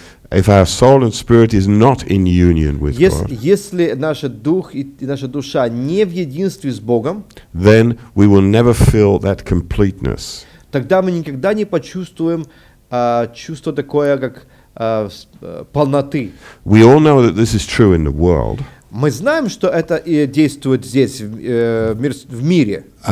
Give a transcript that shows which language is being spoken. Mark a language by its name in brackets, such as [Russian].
[English] If our soul and spirit is not in union with God, [Russian] если наш дух и наша душа не в единстве с Богом, [English] then we will never feel that completeness. [Russian] Тогда мы никогда не почувствуем чувство такое как полноты. [English] We all know that this is true in the world. [Russian] Мы знаем, что это и действует здесь в мире.